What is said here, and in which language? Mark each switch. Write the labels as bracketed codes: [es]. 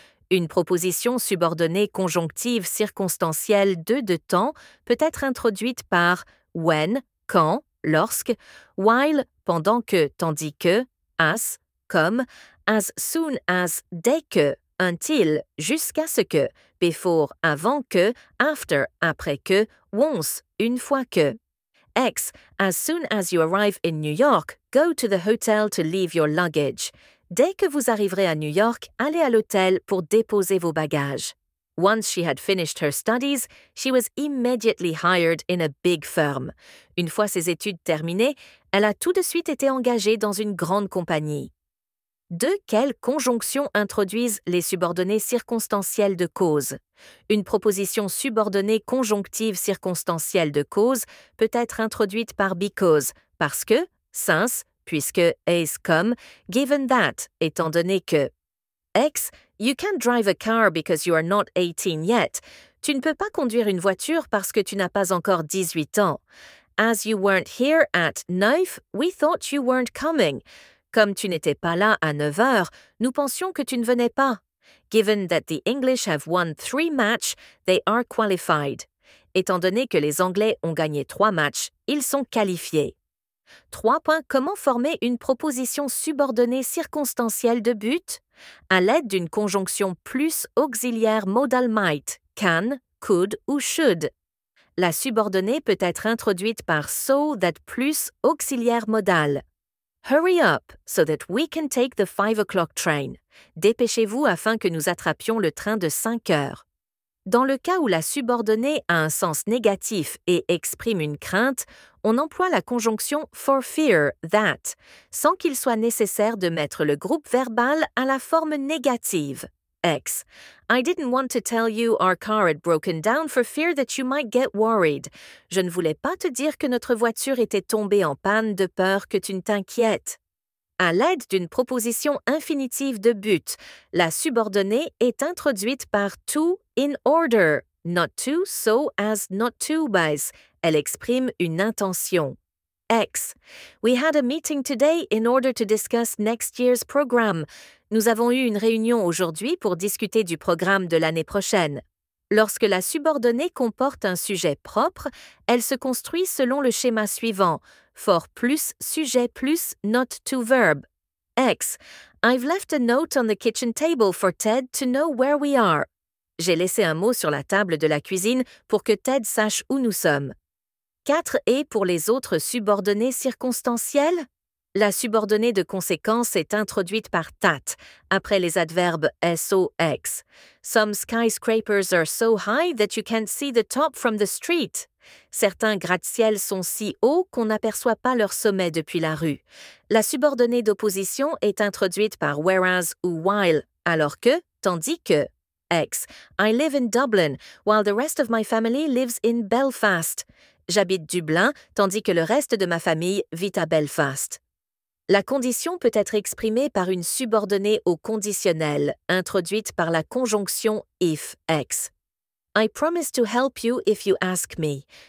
[fr] Une proposition subordonnée conjonctive circonstancielle de temps peut être introduite par when, quand, lorsque, while, pendant que, tandis que, as, comme, [en] as soon as, [fr] dès que, until, [en] jusqu'à ce que, [fr] before, avant que, after, après que, once, une fois que. [en] X, as soon as you arrive in New York, go to the hotel to leave your luggage. [fr] Dès que vous arriverez à New York, allez à l'hôtel pour déposer vos bagages. [en] Once she had finished her studies, she was immediately hired in a big firm. [fr] Une fois ses études terminées, elle a tout de suite été engagée dans une grande compagnie. De quelles conjonctions introduisent les subordonnées circonstancielles de cause? Une proposition subordonnée conjonctive circonstancielle de cause peut être introduite par because, parce que, since, puisque, as come, [en] given that, [fr] étant donné que. [en] X, you can't drive a car because you are not 18 yet. [fr] Tu ne peux pas conduire une voiture parce que tu n'as pas encore 18 ans. [en] As you weren't here at 9, we thought you weren't coming. [fr] Comme tu n'étais pas là à 9 heures, nous pensions que tu ne venais pas. [en] Given that the English have won 3 matches, they are qualified. [fr] Étant donné que les Anglais ont gagné 3 matchs, ils sont qualifiés. 3 points. Comment former une proposition subordonnée circonstancielle de but? À l'aide d'une conjonction plus auxiliaire modal might, can, could ou should. La subordonnée peut être introduite par [en] so that [fr] plus auxiliaire modal. [en] Hurry up so that we can take the 5 o'clock train. [fr] Dépêchez-vous afin que nous attrapions le train de 5 heures. Dans le cas où la subordonnée a un sens négatif et exprime une crainte, on emploie la conjonction [en] for fear that, [fr] sans qu'il soit nécessaire de mettre le groupe verbal à la forme négative. X. [en] I didn't want to tell you our car had broken down for fear that you might get worried. [fr] Je ne voulais pas te dire que notre voiture était tombée en panne de peur que tu ne t'inquiètes. À l'aide d'une proposition infinitive de but, la subordonnée est introduite par [en] to in order, not to, so as, not to, [fr] as. Elle exprime une intention. [en] X. We had a meeting today in order to discuss next year's program. [fr] Nous avons eu une réunion aujourd'hui pour discuter du programme de l'année prochaine. Lorsque la subordonnée comporte un sujet propre, elle se construit selon le schéma suivant. [en] For [fr] plus sujet plus [en] not to verb. X. I've left a note on the kitchen table for Ted to know where we are. [fr] J'ai laissé un mot sur la table de la cuisine pour que Ted sache où nous sommes. 4. Et pour les autres subordonnées circonstancielles? La subordonnée de conséquence est introduite par that, après les adverbes SOX. [en] Some skyscrapers are so high that you can't see the top from the street. [fr] Certains gratte-ciels sont si hauts qu'on n'aperçoit pas leur sommet depuis la rue. La subordonnée d'opposition est introduite par whereas ou while, alors que, tandis que. X. [en] I live in Dublin, while the rest of my family lives in Belfast. [fr] J'habite Dublin, tandis que le reste de ma famille vit à Belfast. La condition peut être exprimée par une subordonnée au conditionnel, introduite par la conjonction if, X. [en] I promise to help you if you ask me.